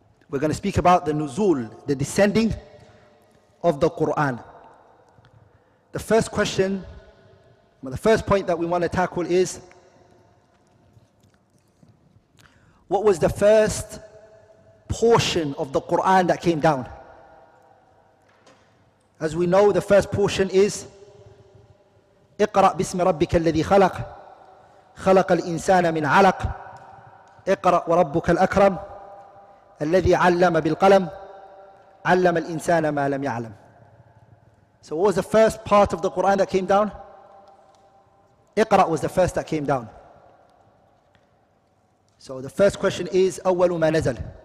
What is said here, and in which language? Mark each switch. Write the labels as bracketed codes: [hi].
[en] We're going to speak about the Nuzul, the descending of the Qur'an. The first question, the first point that we want to tackle is, what was the first portion of the Qur'an that came down? As we know, the first portion is [ar] اقرأ بسم ربك الذي خلق خلق الإنسان من علق اقرأ وربك الأكرم الذي علم بالقلم علم الإنسان ما لم يعلم. [en] So what was the first part of the Qur'an that came down? اقرأ was the first that came down. So the first question is, [ar] أول ما نزل.